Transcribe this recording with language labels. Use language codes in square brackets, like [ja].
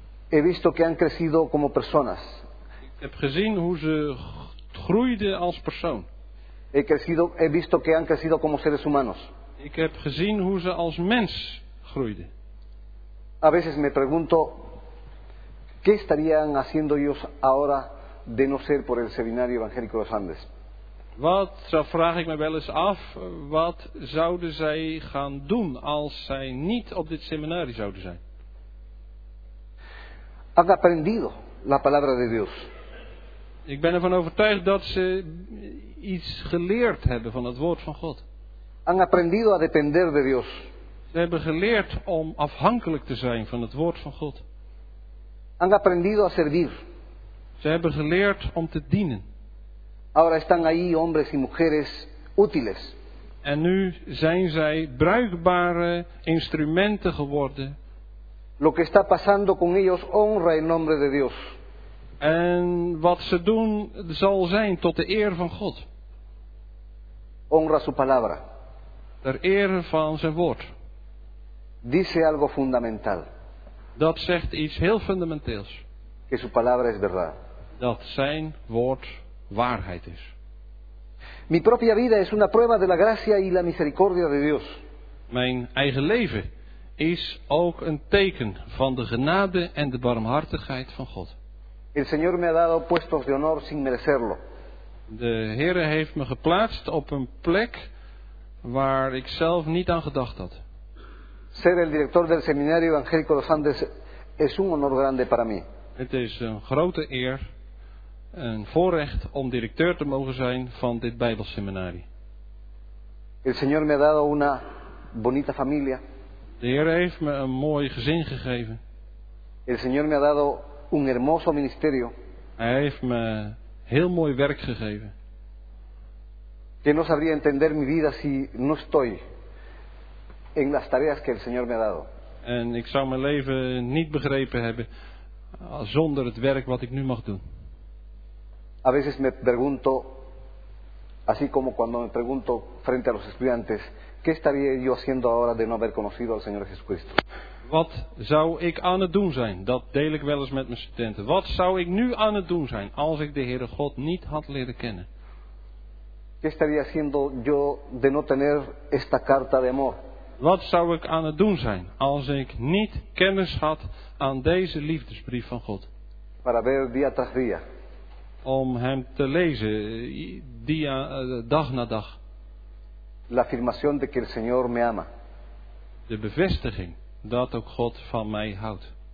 [es] He visto que han crecido como personas. [nl] Ik heb gezien hoe ze groeiden als persoon. [es] He visto que han crecido como seres humanos. [nl] Ik heb gezien hoe ze als mens groeiden. [es] A veces me pregunto, ¿qué estarían haciendo ellos ahora de no ser por el Seminario Evangélico de los Andes? [nl] Wat, zo vraag ik me wel eens af, wat zouden zij gaan doen als zij niet op dit seminarie zouden zijn? [es] Han aprendido la palabra de Dios. [nl] Ik ben ervan overtuigd dat ze iets geleerd hebben van het woord van God. [es] Han aprendido a depender de Dios. [nl] Ze hebben geleerd om afhankelijk te zijn van het woord van God. [es] Han aprendido a servir. [nl] Ze hebben geleerd om te dienen. [es] Ahora están ahí hombres y mujeres útiles. [nl] En nu zijn zij bruikbare instrumenten geworden. [es] Lo que está pasando con ellos honra el nombre de Dios. [nl] En wat ze doen zal zijn tot de eer van God. [es] Honra su palabra. [nl] Ter ere van zijn woord. [es] Dice algo fundamental. [nl] Dat zegt iets heel fundamenteels. [es] Que su palabra es verdad. [nl] Dat zijn woord waarheid is. [es] Mi propia vida es una prueba de la gracia y la misericordia de Dios. [nl] Mijn eigen leven is ook een teken van de genade en de barmhartigheid van God. [es] El Señor me ha dado puestos de honor sin merecerlo. [nl] De Heere heeft me geplaatst op een plek waar ik zelf niet aan gedacht had. [es] Ser el director del Seminario Evangélico de los Andes es un honor grande para mí. [nl] Het is een grote eer, een voorrecht om directeur te mogen zijn van dit Bijbelseminarie. [es] El Señor me ha dado una bonita familia. [nl] De Heer heeft me een mooi gezin gegeven. [es] El Señor me ha dado un hermoso ministerio. [nl] Hij heeft me heel mooi werk gegeven. [es] Que no sabría entender mi vida si no estoy en las tareas que el Señor me ha dado. [nl] En ik zou mijn leven niet begrepen hebben zonder het werk wat ik nu mag doen. [es] A veces me pregunto, así como cuando me pregunto frente a los estudiantes, ¿qué estaría yo haciendo ahora de no haber conocido al Señor Jesucristo? [nl] Wat zou ik aan het doen zijn? Dat deel ik wel eens met mijn studenten. Wat zou ik nu aan het doen zijn als ik de Heere God niet had leren kennen? [es] ¿Qué estaría haciendo yo de no tener esta carta de amor? [nl] Wat zou ik aan het doen zijn als ik niet kennis had aan deze liefdesbrief van God? [es] Para ver día tras día. [nl] Om hem te lezen, dag na dag. [es] La afirmación de que el Señor me ama. [nl] De bevestiging dat ook God van mij houdt.